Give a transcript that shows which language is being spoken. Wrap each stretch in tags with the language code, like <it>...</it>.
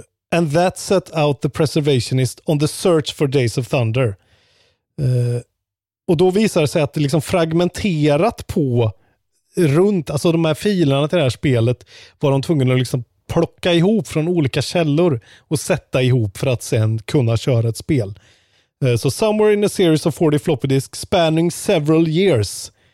<en>And that set out the preservationist on the search for Days of Thunder.</en> <sv>Och då visar det sig att det liksom fragmenterat på runt, alltså de här filerna till det här spelet var de tvungna att liksom plocka ihop från olika källor och sätta ihop för att sen kunna köra ett spel.</sv> <en>Så somewhere in a series of 40 floppy disks spanning several years.</en>